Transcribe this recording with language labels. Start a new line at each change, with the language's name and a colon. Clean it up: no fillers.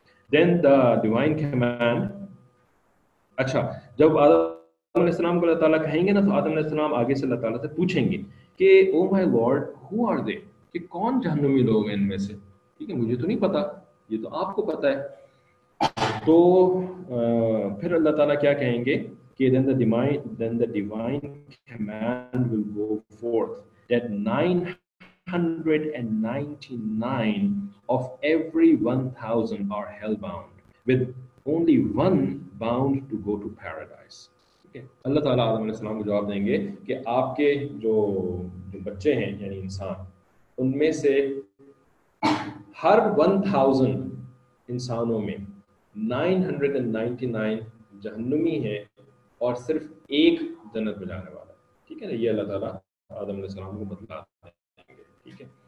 English: Then the divine command,
Urdu: اچھا جب آدم علیہ السلام کو اللہ تعالیٰ کہیں گے نا تو آدم علیہ السلام آگے سے اللہ تعالیٰ سے پوچھیں گے کہ
English: oh my lord who are they,
Urdu: کہ کون جہنمی لوگ ہیں ان میں سے, ٹھیک ہے, مجھے تو نہیں پتا, یہ تو آپ کو پتا ہے. تو پھر اللہ تعالیٰ کیا کہیں گے کہ
English: then the divine command will go forth that 999 of every 1,000 are hell-bound with only one bound to go to paradise. Okay.
Urdu: اللہ تعالیٰ آدم علیہ السلام کو جواب دیں گے کہ آپ کے جو بچے ہیں یعنی انسان ان میں سے ہر 1,000 انسانوں میں 999 جہنمی ہیں اور صرف ایک جنت میں جانے والا, ٹھیک ہے نا, یہ اللہ تعالیٰ آدم علیہ السلام کو بتلا دیں گے, ٹھیک ہے.